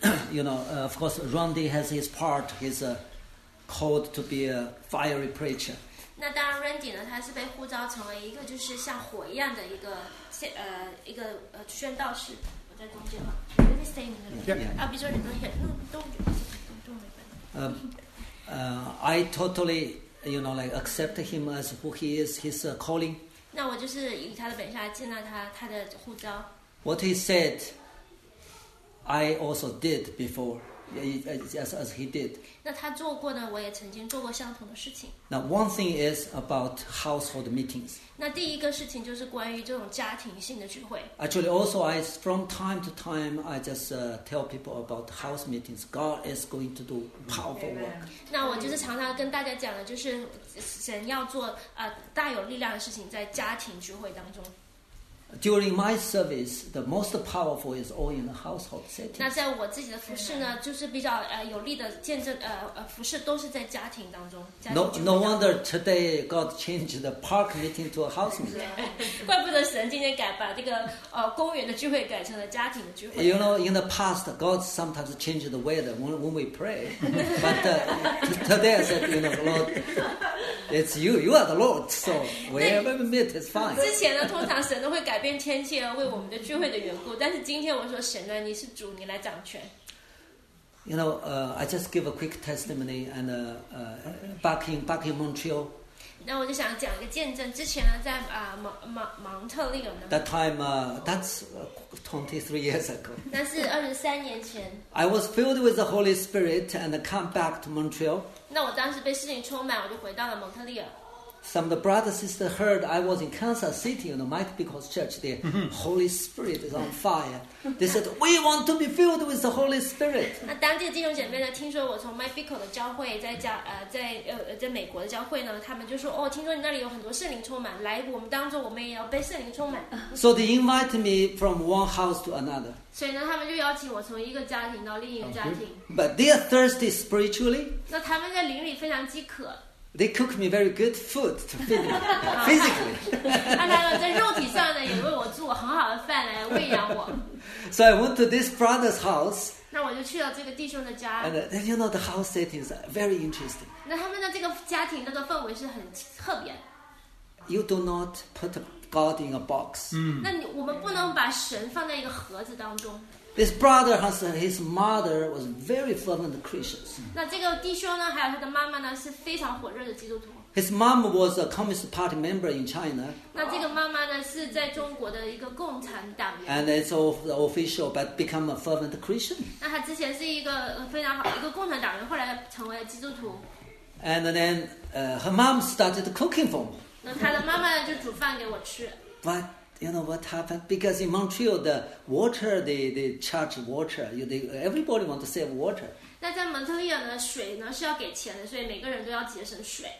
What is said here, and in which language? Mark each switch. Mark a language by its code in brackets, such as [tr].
[en] You know, of course, Randy has his part, his... called to be a fiery preacher. [zh] 那当然 ，Randy 呢，他是被呼召成为一个就是像火一样的一个宣道士。我在中间嘛 [en] ，Let me stay in the middle. Yeah. I'll be here. No, don't. I totally, you know, like accept him as who he is, his calling. [zh] 那我就是以他的本相接纳他的呼召。 [en] What he said, I also did before. As he did. [zh] 那他做过呢？我也曾经做过相同的事情。 [en] Now one thing is about household meetings. [zh] 那第一个事情就是关于这种家庭性的聚会。 [en] Actually, also I from time to time I just tell people about house meetings. God is going to do powerful work. [zh] 那我就是常常跟大家讲的，就是神要做大有力量的事情在家庭聚会当中。 [en] During my service, the most powerful is all in the household setting. [zh] 那在我自己的服侍呢，就是比较有力的见证服侍都是在家庭当中。 [en] No wonder today God changed the park meeting to a house meeting. [zh] 怪不得神今天改把这个公园的聚会改成了家庭的聚会。 [en] You know, in the past, God sometimes changed the weather when we pray. But today I said, you know, Lord. It's you. You are the Lord. So wherever we meet, it's fine. [zh] 之前呢，通常神都会改变天气而为我们的聚会的缘故。但是今天我说，神呢，你是主，你来掌权。 [en] You know, I just give a quick testimony and back in Montreal. [zh] 那我就想讲一个见证。之前呢，在蒙特利尔呢。 [en] That time, that's 23 years ago. [zh] 那是23年前。 [en] I was filled with the Holy Spirit and come back to Montreal. [zh] 那我当时被事情充满，我就回到了蒙特利尔。 [en] Some of the brothers and sisters heard I was in Kansas City, you know, Mike Bickle's church there. Holy Spirit is on fire. They said, we want to be filled with the Holy Spirit. [zh] 那当地的弟兄姐妹呢，听说我从 Mike Bickle 的教会在美国的教会呢，他们就说，哦，听说你那里有很多圣灵充满，来我们当中，我们也要被圣灵充满。 [en] So they invited me from one house to another. [zh] 所以呢，他们就邀请我从一个家庭到另一个家庭。 [en] Okay. But they are thirsty spiritually. [zh] 那他们在灵里非常饥渴。 [en] They cook me very good food to feed me physically. [zh] 在肉体上呢，也为我做很好的饭来喂养我。 [en] So I went to this brother's house. [zh] 那我就去了这个弟兄的家。 [en] And then you know the house setting is very interesting. [zh] 那他们的这个家庭那个氛围是很特别。 [en] You do not put God in a box. [zh] 那我们不能把神放在一个盒子当中。 [en] This brother has his mother was very fervent Christians. [zh] 那这个弟兄呢，还有他的妈妈呢，是非常火热的基督徒。 [en] His mom was a Communist Party member in China. [zh] 那这个妈妈呢，是在中国的一个共产党员。 [en] And it's the official, but become a fervent Christian. [zh] 那他之前是一个非常好一个共产党员，后来成为了基督徒。 [en] And then, her mom started cooking for me. [zh] 那他的妈妈呢，就煮饭给我吃。 [en] But. You know what happened? Because in Montreal, the water, they charge water. Everybody wants to save water. [zh] 那在蒙特利尔呢，水呢是要给钱的，所以每个人都要节省水。